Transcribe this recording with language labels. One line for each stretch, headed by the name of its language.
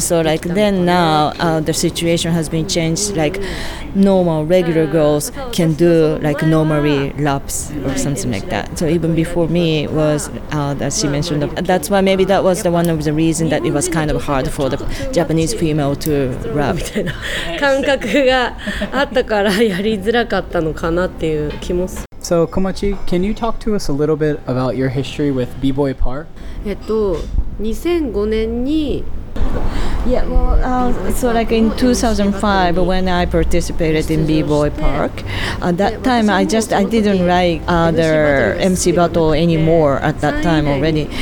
English: So like then now the situation has been changed, like normal regular girls can do like normally laps or something like that. So even before me was that she mentioned that's why maybe that was the one of the reason that it was kind of hard for the Japanese female to rap.
Japanese: みたいな感覚があったからやりづらかったのかなっていう気もする。
English: So, Komachi, can you talk to us a little bit about your history with B-Boy Park?
Japanese: 2005年に
English: Yeah, well, so like in 2005 when I participated in B-Boy Park, that time I didn't write other MC battle anymore at that time already.